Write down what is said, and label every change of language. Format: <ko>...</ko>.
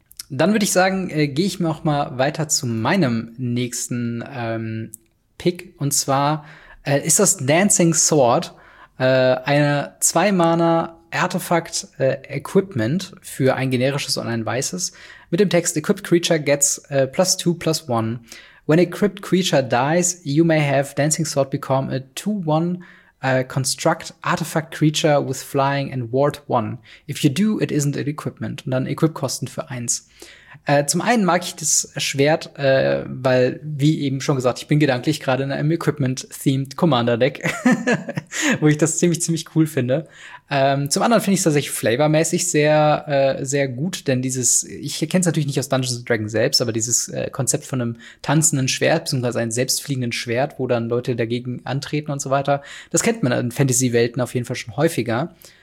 <de>Dann würde ich sagen, gehe ich mir auch mal weiter zu meinem nächsten Pick. Und zwar ist das Dancing Sword, eine 2-Mana-Artefakt-Equipment für ein generisches und ein weißes. Mit dem Text,</de> <en>Equipped Creature gets +2/+1. When a Crypt Creature dies, you may have Dancing Sword become a 2/1 construct artifact creature with flying and ward 1. If you do, it isn't an equipment.</en> <de>Und dann Equip-Kosten für 1. Zum einen mag ich das Schwert, weil, wie eben schon gesagt, ich bin gedanklich gerade in einem Equipment-themed Commander-Deck, wo ich das ziemlich, ziemlich cool finde. Zum anderen finde ich es tatsächlich flavormäßig sehr, sehr gut, denn dieses, ich kenne es natürlich nicht aus Dungeons & Dragons selbst, aber dieses Konzept von einem tanzenden Schwert, beziehungsweise einem selbstfliegenden Schwert, wo dann Leute dagegen antreten und so weiter, das kennt man in Fantasy-Welten auf jeden Fall schon häufiger.</de>